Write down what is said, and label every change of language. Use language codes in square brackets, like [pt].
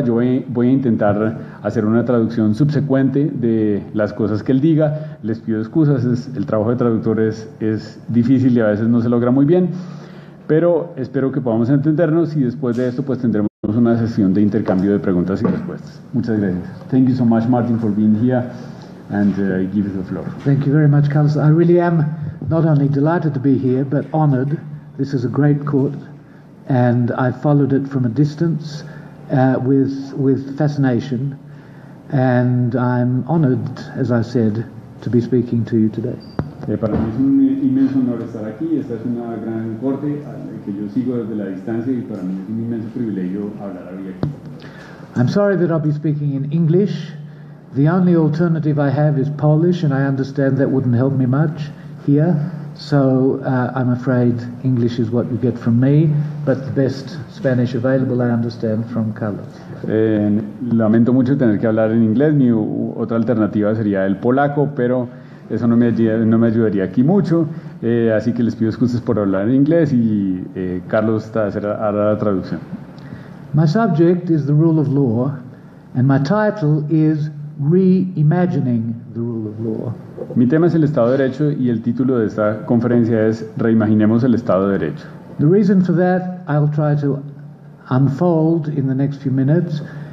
[es] Yo voy a intentar hacer una traducción subsecuente de las cosas que él diga. Les pido excusas, el trabajo de traductor es difícil y a veces no se logra muy bien, pero espero que podamos entendernos, y después de esto pues tendremos una sesión de intercambio de preguntas y respuestas. Muchas gracias. [en] Thank you so much, Martin, for being here. And I give you the floor. Thank you very much, Carlos. I really am not only delighted to be here, but honored. This is a great court, and I followed it from a distance with fascination. And I'm honored, as I said, to be speaking to you today. [es] Para mí es un inmenso honor estar aquí. Esta es una gran corte que yo sigo desde la distancia, y para mí es un inmenso privilegio hablar hoy aquí. [en] I'm sorry that I'll be speaking in English. The only alternative I have is Polish, and I understand that wouldn't help me much here. So I'm afraid English is what you get from me, but the best Spanish available, I understand, from Carlos. [es] Lamento mucho tener que hablar en inglés. Mi otra alternativa sería el polaco, pero eso no me ayudaría aquí mucho. Así que les pido excusas por hablar en inglés, y Carlos hará la traducción. [en] My subject is the rule of law, and my title is Reimagining the rule of law. [es] Mi tema es el Estado de Derecho, y el título de esta conferencia es Reimaginemos el Estado de Derecho. [en] The reason for that I'll try to unfold in the next few minutes.